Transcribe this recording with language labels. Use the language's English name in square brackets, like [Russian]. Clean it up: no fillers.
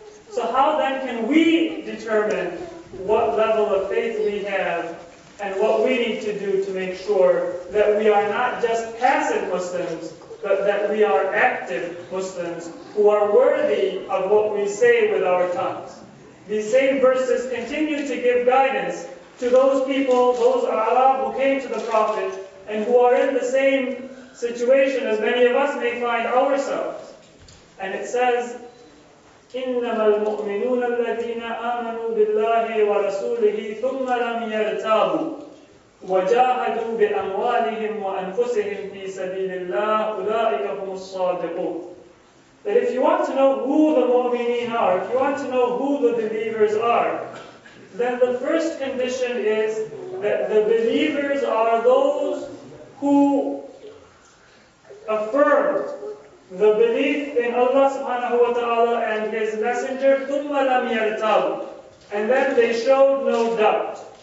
[English] So how then can we determine what level of faith we have and what we need to do to make sure that we are not just passive Muslims, but that we are active Muslims who are worthy of what we say with our tongues? These same verses continue to give guidance to those people, those Arab who came to the Prophet and who are in the same situation as many of us may find ourselves. And it says, [Arabic] إِنَّمَا الْمُؤْمِنُونَ الَّذِينَ آمَنُوا بِاللَّهِ وَرَسُولِهِ ثُمَّ لَمْ يَرْتَابُوا وجاهدوا بأموالهم وأنفسهم في سبيل الله أولئك هم الصادقون. [English] That if you want to know who the mu'mineen are, if you want to know who the believers are, then the first condition is that the believers are those who affirm the belief in Allah subhanahu wa ta'ala and His Messenger, [Arabic] ثُمَّ لَمْ يَرْتَبُ, [English] and then they showed no doubt.